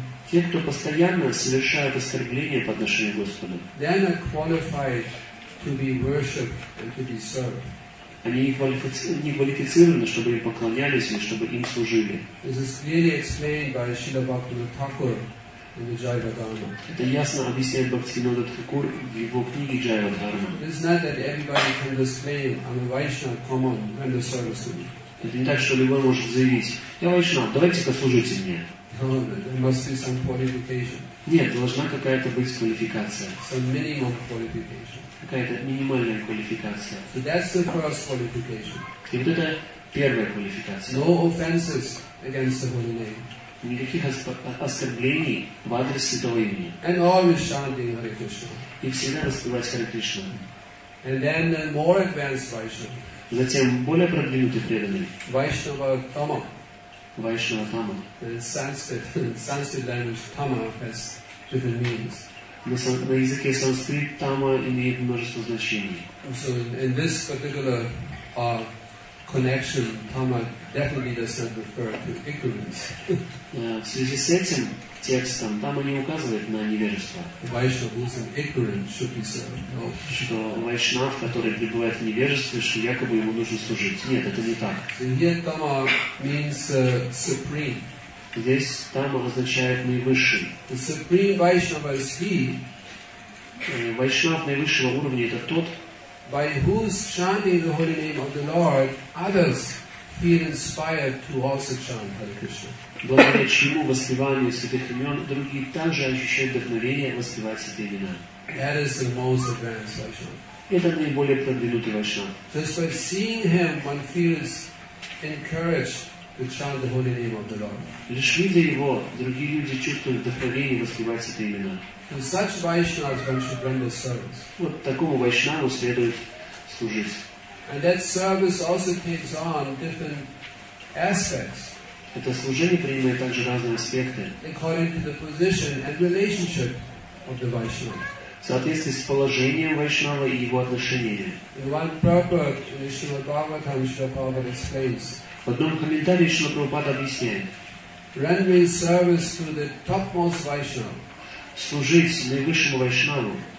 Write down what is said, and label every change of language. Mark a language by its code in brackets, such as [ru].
[ru] Те, кто постоянно совершают оскорбления по отношению к Господу. [en] They are qualified to be worshipped and to be served. [ru] Они не квалифицированы, чтобы им поклонялись и чтобы им служили. [en] This is clearly explained by Śrīla Bhaktivinoda Thakura. [ru] Это ясно объясняет Бхактивинода Тхакур в его книге Джайва Дхарма. [en] It's not that everybody can display I'm a Vaishnava, come on, render service to me. [ru] Это не так, что любой может заявить, я Вайшнав, давайте послужите мне. [en] There must be some qualification. [ru] Нет, должна какая-то быть квалификация. [en] Some minimum qualification. [ru] Какая-то минимальная квалификация. [en] So that's the first qualification. [ru] И вот это первая квалификация. [en] No offenses against the holy name. [ru] никаких оскорблений в адрес святого имени. [en] And always chanting Hare Krishna. [ru] И всегда воспевать Hare Krishna. [en] And then the more advanced Vaishnava. [ru] Затем более продвинутый преданный. [sa] Vaishnava Tama. Vaishnava Tama. [en] Sanskrit language Tama has different meanings. [ru] На языке санскрит Тама имеет множество значений. [en] So in this particular connection, Tama definitely does not refer to ignorance. [ru] В связи с этим текстом Тама не указывает на невежество. [en] Vaishnava who is an ignorant should be served. [ru] Что Vaishnava, который пребывает в невежестве, что якобы ему нужно служить. Нет, это не так. [en] Here Tama means supreme. [ru] Здесь Тама означает наивысший. [en] The supreme Vaishnava is he. [ru] Vaishnava наивысшего уровня это тот, [en] by whose chanting the holy name of the Lord, others feel inspired to also chant Hare Krishna. [ru] Благодаря чему воспевание святых имен другие также ощущают вдохновение воспевать святые имена. [en] That is the most advanced Vaishnava. [ru] Это наиболее продвинутый Вайшнава. [en] Just by seeing him, one feels encouraged to chant the holy name of the Lord. [ru] Лишь видя его, другие люди чувствуют вдохновение воспевать святые имена. [en] To such Vaishnavas, one should render service. [ru] Вот такому Вайшнаву следует служить. [en] And that service also takes on different aspects. [ru] Это служение принимает также разные аспекты. [en] According to the position and relationship of the Vaishnava. [ru] В соответствии с положением Вайшнава и его отношениями. [en] In one proverb, Srila Bhagavatam, Srila Prabhupada explains. [ru] В одном комментарии Srila Prabhupada объясняет. [en] Rendering service to the topmost Vaishnava. [ru] Служить наивысшему Вайшнаву